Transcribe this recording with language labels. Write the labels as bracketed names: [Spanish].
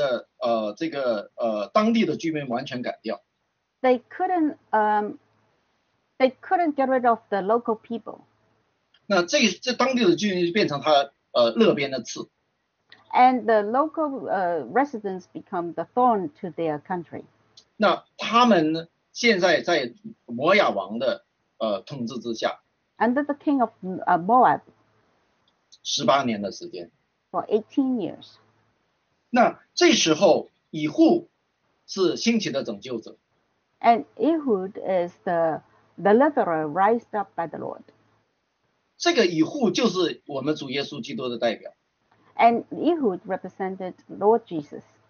[Chinese] 他们没有办法把当地的居民完全赶掉. [English] They couldn't get rid of the local people. [Chinese] 那这当地的居民就变成他肋边的刺. [English] And the local residents become the thorn to their country. [Chinese] 那他们现在在摩亚王的统治之下. [English] Under the king of Moab. [Chinese] 18年的时间. [English] For 18 years. [Chinese] 那这时候以户是兴起的拯救者. [English] And Ehud is the deliverer raised up by the Lord. [Chinese] 这个以户就是我们主耶稣基督的代表. [English] And Ehud represented Lord Jesus.